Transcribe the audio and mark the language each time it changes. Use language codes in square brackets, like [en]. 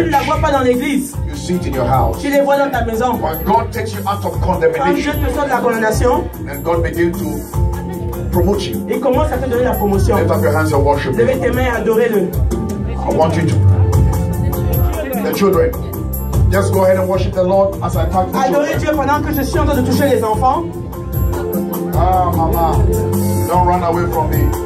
[fr] Tu ne la vois pas dans l'église. [en] You see it in your house. [fr] Tu les vois dans ta maison. [en] When God takes you out of condemnation, [fr] quand Dieu te sort de la condamnation, [en] and God begins to promote you, [fr] il commence à te donner la promotion. [en] Lift up your hands and worship. [fr] Levez tes mains et adorez-le. [en] I want you to. The children, just go ahead and worship the Lord as I talk to you. [fr] Adorez Dieu pendant que je suis en train de toucher les enfants. [en] Ah, mama, don't run away from me.